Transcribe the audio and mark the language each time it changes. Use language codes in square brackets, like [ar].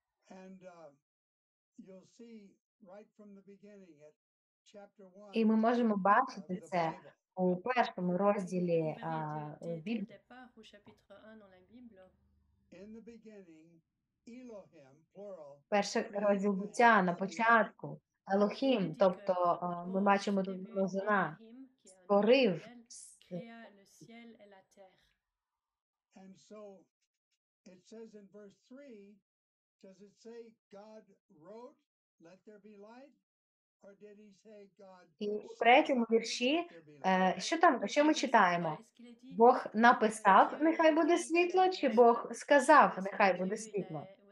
[en] And you'll see right from the beginning at chapter 1. [uk] І ми можемо бачити це у першому розділі Біблії. [fr] У chapitre 1 dans la Bible. [en] In the beginning, Elohim, plural. [uk] Перший розділ Буття, на початку, Елохім, тобто ми бачимо тут Бога, створив [fr] le ciel et la terre. [en] And so it says in verse 3, does it say God wrote, let there be light? Or did he say God? [uk] І в третьому вірші, що там, що ми читаємо? Бог написав, нехай буде світло, чи Бог сказав, нехай буде світло?